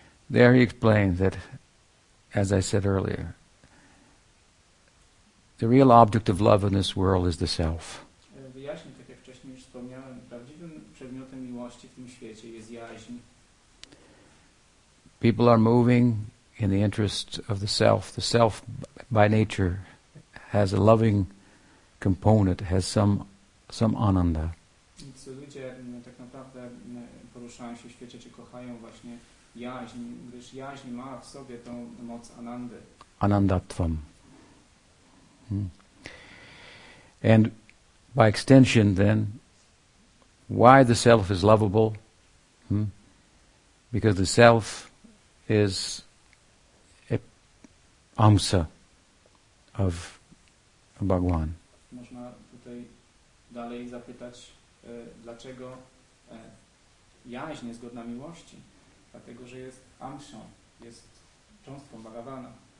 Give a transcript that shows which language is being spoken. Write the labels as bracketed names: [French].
[English] There he explained that, as I said earlier, the real object of love in this world is the self. [Polish] Wyjaśnię, tak jak wcześniej już wspomniałem, prawdziwym przedmiotem miłości w tym świecie jest jaźń. [English] People are moving in the interest of the self. The self, by nature, has a loving component, has some ananda. [Polish] Więc ludzie tak naprawdę poruszają się w świecie, czy kochają właśnie jaźń, gdyż jaźń ma w sobie tą moc anandy. [Sanskrit] Anandatvam. [English] And by extension then, why the self is lovable? Because the self is a amsa of Bhagwan. [Polish] Można tutaj dalej zapytać, dlaczego jaźń jest godna miłości? Dlatego, że jest amsą, jest cząstką Bhagavana.